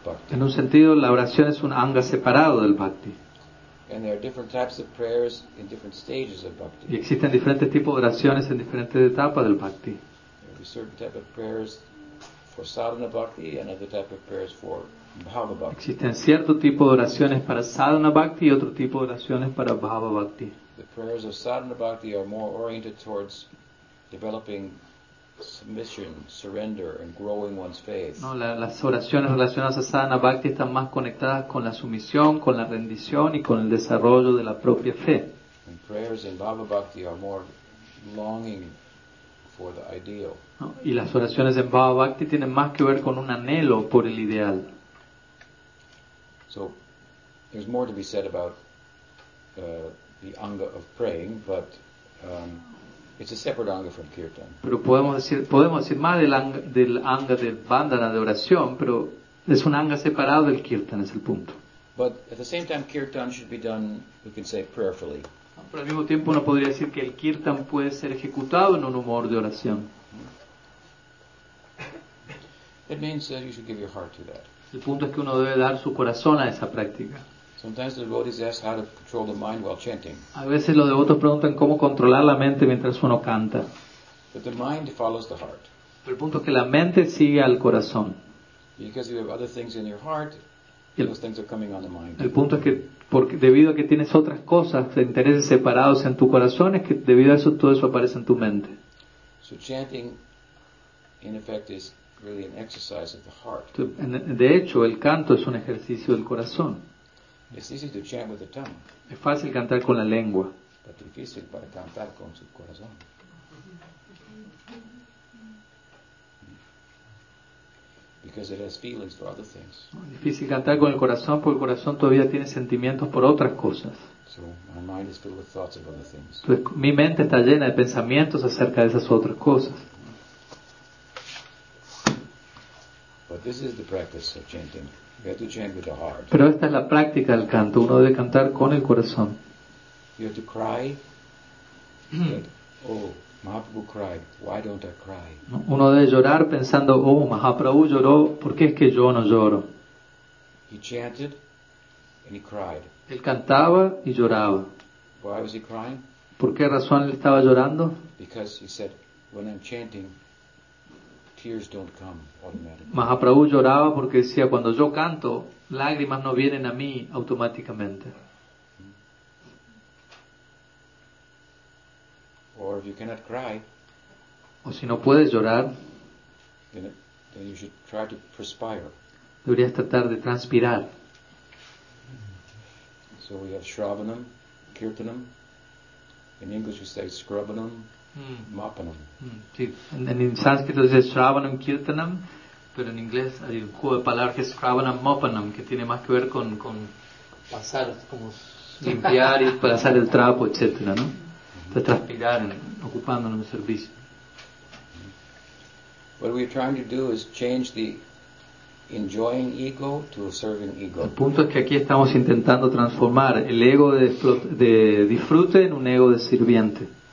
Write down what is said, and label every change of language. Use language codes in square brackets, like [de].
[es] En un sentido, la oración es un anga separado del bhakti. [en] And there are different types of prayers in different stages of bhakti. [es] Y existen diferentes tipos de oraciones en diferentes etapas del bhakti. [en] There are certain type of prayers for sadhana bhakti and other type of prayers for bhava bhakti. [es] Existen cierto tipo de oraciones para sadhana bhakti y otro tipo de oraciones para bhava bhakti. [en] The prayers of sadhana bhakti are more oriented towards developing submission, surrender, and growing one's faith. [es] No, las oraciones relacionadas a sadhana bhakti están más conectadas con la sumisión, con la rendición y con el desarrollo de la propia fe. [en] And prayers in bhava bhakti are more longing for the ideal. [es] No, y las oraciones en bhava bhakti tienen más que ver con un anhelo por el ideal. [en] So, there's more to be said about the anga of praying, but it's a separate anga from kirtan. [es] Pero podemos decir más del anga de vandana de oración, pero es un anga separado del kirtan, es el punto. [en] But at the same time, kirtan should be done, we can say, prayerfully. [es] Pero al mismo tiempo, uno podría decir que el kirtan puede ser ejecutado en un humor de oración. [en] It means that you should give your heart to that. [es] El punto es que uno debe dar su corazón a esa práctica. [en] Sometimes the devotees ask how to control the mind while chanting. [es] A veces los devotos preguntan cómo controlar la mente mientras uno canta. [en] But the mind follows the heart. [es] Pero el punto es que la mente sigue al corazón. [en] Because you have other things in your heart, those things are coming on the mind. [es] El punto es que porque debido a que tienes otras cosas, intereses separados en tu corazón, es que debido a eso todo eso aparece en tu mente. [en] So chanting, in effect, is really an exercise of the heart. [es] De hecho, el canto es un ejercicio del corazón. [en] It's easy to chant with the tongue. [es] Es fácil cantar con la lengua. Pero difícil para cantar con su corazón. [en] Because it has feelings for other things. [es] Difícil cantar con el corazón porque el corazón todavía tiene sentimientos por otras cosas. [en] So my mind is filled with thoughts of other things. [es] Entonces, mi mente está llena de pensamientos acerca de esas otras cosas. [en] But this is the practice of chanting. You have to chant with the heart. [es] Pero esta es la práctica del canto. Uno debe cantar con el corazón. [en] You have to cry. Oh, Mahaprabhu cried. Why don't I cry? [es] Uno debe llorar pensando, oh, Mahaprabhu lloró. ¿Por qué es que yo no lloro? [en] He chanted and he cried. [es] Él cantaba y lloraba. [en] Why was he crying? [es] ¿Por qué razón él estaba llorando? [en] Because he said, when I'm chanting, tears don't come automatically. [es] Mahaprabhu lloraba porque decía, cuando yo canto, lágrimas no vienen a mí automáticamente. [en] Or if you cannot cry, [es] o si no puedes llorar, [en] then you should try to perspire. [es] Deberías tratar de transpirar. [en] So we have shravanam, kirtanam. In English we say scrubanam. Mapanam. [es] Sí. [en] And in Sanskrit it says shravanam kirtanam, [es] pero en inglés hay un juego de palabras que es shravanam mapanam, que tiene más que ver con pasar, como limpiar y pasar el trapo, etcétera, ¿no? De transpirar, ocupándonos en el servicio. [en] What we're trying to do is change the enjoying ego to a serving ego. [es] El punto es que aquí estamos intentando transformar el ego de disfrute en un ego de sirviente.